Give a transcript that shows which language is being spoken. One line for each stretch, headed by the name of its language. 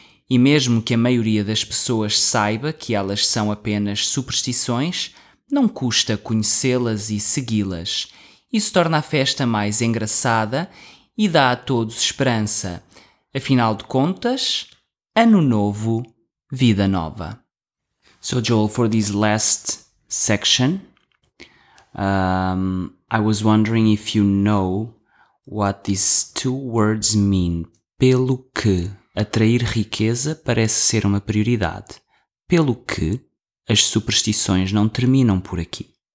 Portuguese: E mesmo que a maioria das pessoas saiba que elas são apenas superstições, não custa conhecê-las e segui-las. Isso torna a festa mais engraçada e dá a todos esperança. Afinal de contas, ano novo, vida nova.
English: So Joel, for this last section, I was wondering if you know what these two words mean.
Portuguese: Pelo que atrair riqueza parece ser uma prioridade. Pelo que as superstições não terminam por aqui.